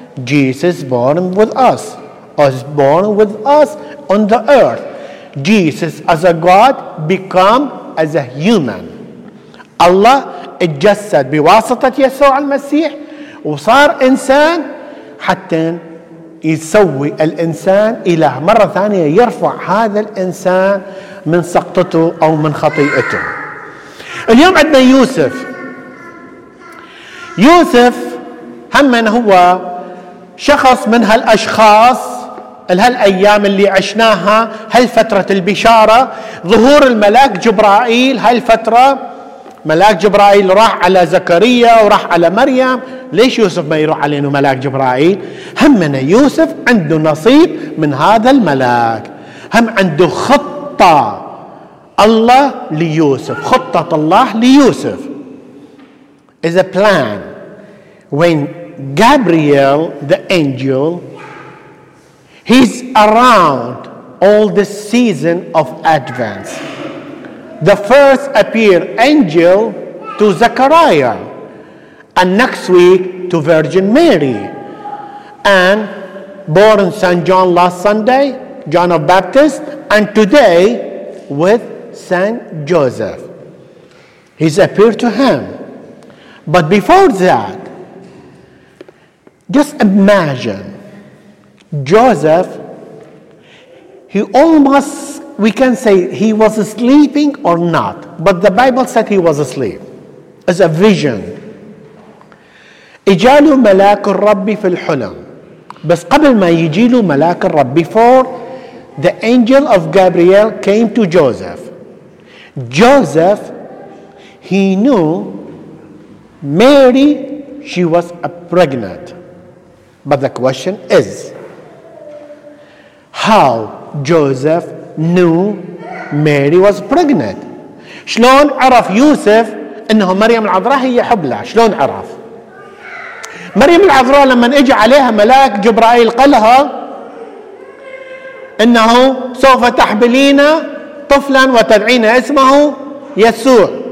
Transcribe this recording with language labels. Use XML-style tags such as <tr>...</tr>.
<en>Jesus born with us, was born with us on the earth. Jesus as a God become as a human.</en> <ar>Allah اتجسد بواسطة يسوع المسيح وصار إنسان حتى يسوي الإنسان إله مرة ثانية يرفع هذا الإنسان من سقطته أو من خطيئته. اليوم عندنا يوسف. يوسف هم هو شخص من هالأشخاص هالأيام اللي عشناها هالفترة البشارة ظهور الملاك جبرائيل هالفترة ملاك جبرائيل راح على زكريا وراح على مريم. ليش يوسف ما يروح عليه ملاك جبرائيل؟ هم يوسف عنده نصيب من هذا الملاك، هم عنده خطة الله ليوسف، خطة الله ليوسف</ar> <en>is a plan. When Gabriel the angel he's around all the season of Advent, the first appear angel to Zechariah and next week to Virgin Mary and born Saint John last Sunday, John of Baptist, and today with Saint Joseph. He's appeared to him. But before that, just imagine Joseph, he almost, we can say he was sleeping or not, but the Bible said he was asleep. It's a vision.</en> <ar>إجاله ملاك الرب في الحلم. بس قبل ما يجيله ملاك الرب,</ar> <en>before the angel of Gabriel came to Joseph, Joseph, he knew Mary, she was pregnant. But the question is, how Joseph knew Mary was pregnant?</en> <ar>شلون عرف يوسف انه مريم العذراء هي حبلها؟ شلون عرف؟ مريم العذراء لما اجى عليها ملاك جبرائيل قالها انه سوف تحبلين طفلا وتدعين اسمه يسوع.</ar>